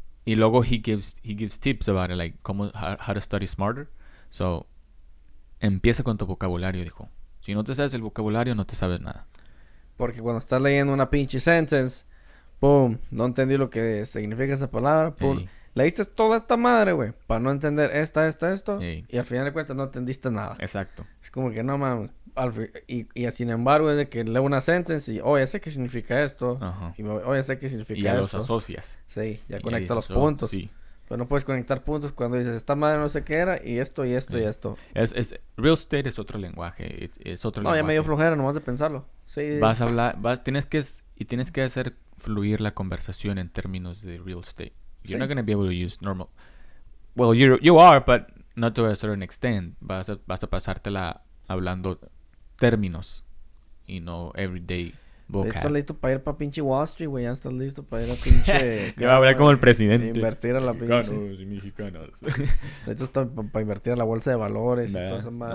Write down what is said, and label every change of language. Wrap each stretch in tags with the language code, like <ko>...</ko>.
<es>Y luego</es> <en>he gives tips about it, like how to study smarter.</en> <es>So empieza con tu vocabulario, dijo. Si no te sabes el vocabulario, no te sabes nada. Porque cuando estás leyendo una pinche sentence, boom, no entendí lo que significa esa palabra, boom. Leíste toda esta madre, güey, para no entender esto. Ey. Y al final de cuentas no entendiste nada. Exacto. Es como que no mames. Y sin embargo, es de que leo una sentence y, oh, ya sé qué significa esto. Ajá. Y, oh, ya sé qué significa y esto. Y ya los asocias. Sí, ya conecta los puntos. Sí. Pero no puedes conectar puntos cuando dices, esta madre no sé qué era, y esto, y esto, sí. Y esto. Es real estate es otro lenguaje. Es otro lenguaje. No, ya medio flojera, nomás de pensarlo. Sí. Vas a hablar, tienes que hacer fluir la conversación en términos de real estate.</es> <en>You're not going to be able to use normal. Well, you are, but not to a certain extent.</en> <es>Vas a pasártela hablando términos y no</es> <en>everyday vocab.</en> <es>Estás listo para ir para pinche Wall Street, güey. Ya estás listo para ir a pinche. Te va a hablar como el presidente. Invertir a la pinche. Y mexicanos. Listo para invertir a la bolsa de valores. Nah. Y todo eso, madre.</es>